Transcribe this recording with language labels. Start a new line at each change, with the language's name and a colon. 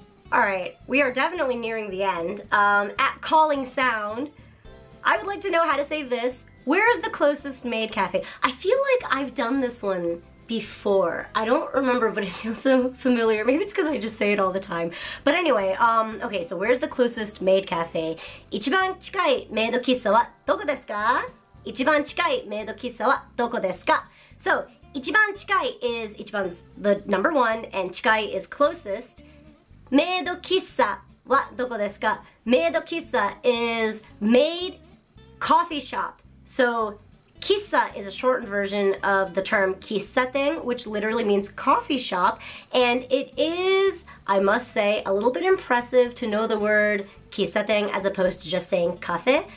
English: All right, we are definitely nearing the end. At calling sound, I would like to know how to say this. Where is the closest maid cafe? I feel like I've done this one before. I don't remember, but it feels so familiar. Maybe it's because I just say it all the time. But anyway, okay, so where's the closest maid cafe?
Japanese: 一番近いメイド喫茶はどこですか?一番近いメイド喫茶はどこですか?
English: So, 一番近い is 一番 the number one, and 近い is closest.
Japanese: メイド喫茶はどこですか?
English: メイド喫茶 is maid coffee shop. So,Kissa is a shortened version of the term kissaten, which literally means coffee shop. And it is, I must say, a little bit impressive to know the word kissaten as opposed to just saying cafe.